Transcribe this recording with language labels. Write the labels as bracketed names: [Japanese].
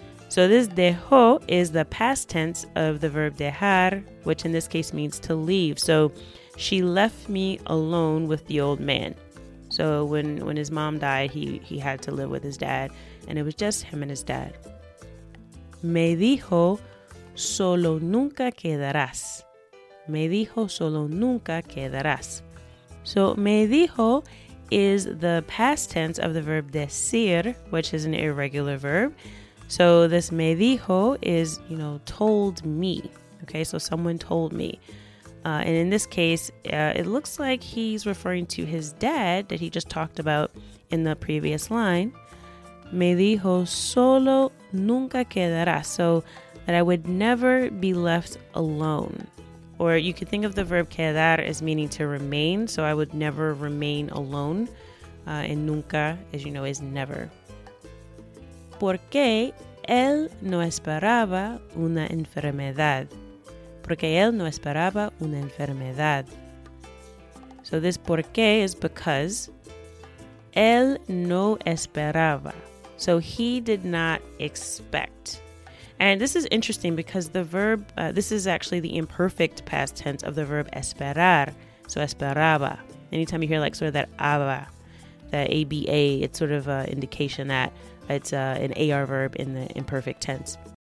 [English] So this dejó is the past tense of the verb dejar, which in this case means to leave. So she left me alone with the old man. So when his mom died, he had to live with his dad, and it was just him and his dad. [Spanish] Me dijo, solo nunca quedarás. Me dijo, solo nunca quedarás. [English] So [Spanish] me dijo [English] is the past tense of the verb decir, which is an irregular verb. So this [Spanish] me dijo [English] is, you know, told me. Okay, so someone told me. And in this case, it looks like he's referring to his dad that he just talked about in the previous line. [Spanish] Me dijo, solo nunca quedarás. [English] So that I would never be left alone. Or you could think of the verb quedar as meaning to remain. So I would never remain alone. And nunca, as you know, is never. [Spanish] Porque él no esperaba una enfermedad. Porque él no esperaba una enfermedad. [English] So this [Spanish] porque [English] is because [Spanish] él no esperaba. [English] So he did not expect. And this is interesting because the verb, this is actually the imperfect past tense of the verb esperar. So esperaba. Anytime you hear like sort of that aba, that A-B-A, it's sort of an indication that it's an AR verb in the imperfect tense.